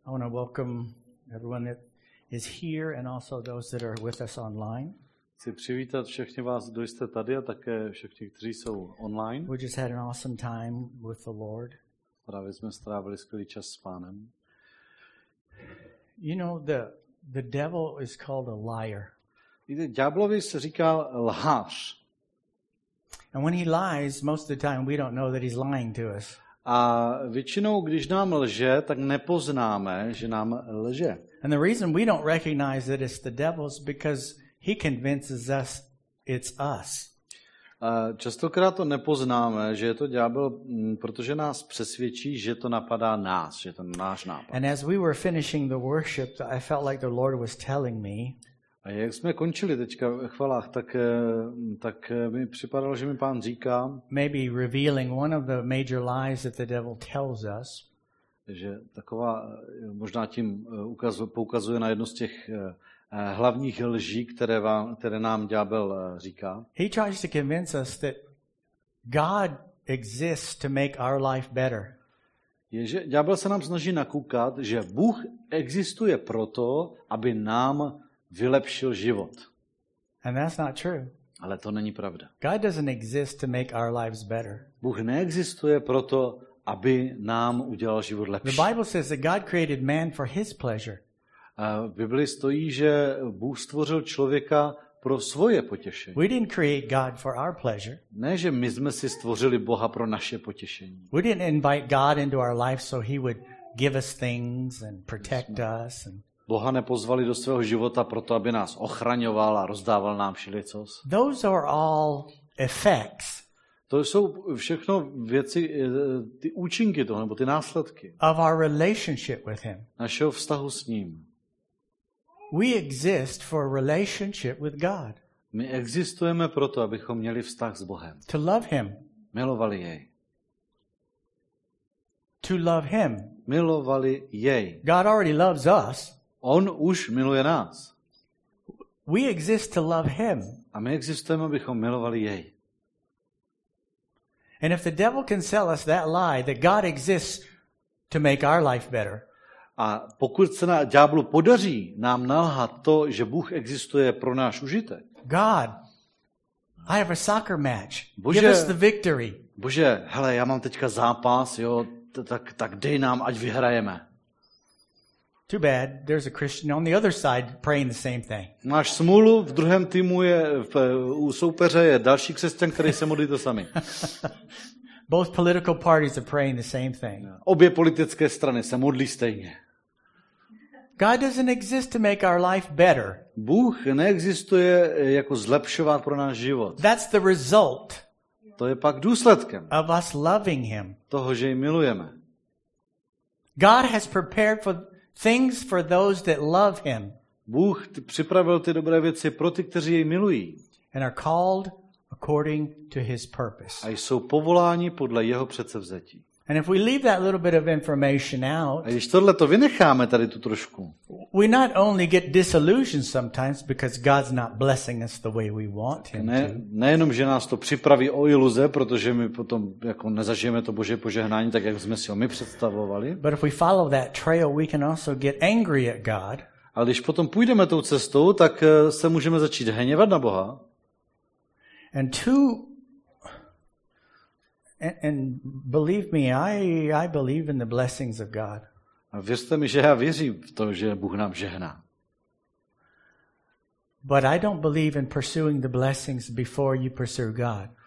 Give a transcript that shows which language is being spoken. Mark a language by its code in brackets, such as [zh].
[en] I want to welcome everyone that is here and also those that are with us online. [cs] Chci přivítat všechny vás, kdo jste tady a také všechny, kteří jsou online. [en] We just had an awesome time with the Lord. [cs] Právě jsme strávili skvělý čas s Pánem. [en] You know, the devil is called a liar. [cs] Víte, ďáblovi se říká lhář. [en] And when he lies, most of the time we don't know that he's lying to us. [cs] A většinou, když nám lže, tak nepoznáme, že nám lže. [en] And the reason we don't recognize that it's the devil is because he convinces us it's us. [cs] Častokrát to nepoznáme, že je to ďábel, protože nás přesvědčí, že to napadá nás, že to náš nápad. [en] And as we were finishing the worship, I felt like the Lord was telling me. [cs] A jak jsme končili teďka v chvalách, tak mi připadalo, že mi Pán říká, [en] maybe revealing one of the major lies that the devil tells us. [cs] Že taková možná tím poukazuje na jedno z těch hlavních lží, které nám ďábel říká. [en] He tries to convince us that God exists to make our life better. [cs] Je, že ďábel se nám snaží nakukat, že Bůh existuje proto, aby nám vylepšil život. [en] And that's not true. [cs] Ale to není pravda. [en] God doesn't exist to make our lives better. [cs] Bůh neexistuje proto, aby nám udělal život lepší. [en] The Bible says that God created man for his pleasure. [cs] V Biblii stojí, že Bůh stvořil člověka pro svoje potěšení. [en] We didn't create God for our pleasure. [cs] Ne, že my jsme si stvořili Boha pro naše potěšení. [en] We didn't invite God into our life so he would give us things and protect us and [cs] Boha nepozvali do svého života proto, aby nás ochraňoval a rozdával nám všelicos. [en] Those are all effects. [cs] To jsou všechno věci, ty účinky toho, nebo ty následky. [en] Of our relationship with him. [cs] Našeho vztahu s ním. [en] We exist for a relationship with God. [cs] My existujeme proto, abychom měli vztah s Bohem. [en] To love him. [cs] Milovali jej. [en] To love him. [cs] Milovali jej. [en] God already loves us. [cs] On už miluje nás. [en] We exist to love him. [cs] A my existujeme, abychom milovali jej. [en] And if the devil can sell us that lie that God exists to make our life better. [cs] A pokud se na ďáblu podaří nám nalhat to, že Bůh existuje pro náš užitek. [en] God, I have a soccer match. Bože, give us the victory. [cs] Bože, hele, já mám teďka zápas, jo, tak dej nám, ať vyhrajeme. [en] Too bad. There's a Christian on the other side praying the same thing. [cs] Máš smůlu, v druhém týmu je u soupeře je další křesťan, který se modlí to samý. [en] Both political parties are praying the same thing. [cs] Obě politické strany se modlí stejně. [en] God doesn't exist to make our life better. [cs] Bůh neexistuje jako zlepšovat pro náš život. [en] That's the result. [cs] To je pak důsledkem. [en] Of us loving him. [cs] Toho, že jej milujeme. [en] God has prepared for things for those that love him. [cs] Bůh připravil ty dobré věci pro ty, kteří jej milují. [en] And are called according to his purpose. [cs] A jsou povoláni podle jeho předsevzetí. [en] And if we leave that little bit of information out, [cs] a když tohle to vynecháme tady tu trošku, [en] we not only get disillusioned sometimes because God's not blessing us the way we want him to. [cs] Nejenom, že nás to připraví o iluze, protože my potom jako nezažijeme to Boží požehnání tak, jak jsme si ho my představovali. [en] But if we follow that trail, we can also get angry at God. [cs] A když potom půjdeme tou cestou, tak se můžeme začít hněvat na Boha. [en] And believe me, I believe in the blessings of God. [cs] A věřte mi, že já věřím v to, že Bůh nám žehná. [en] But I don't believe in pursuing the blessings before you pursue God.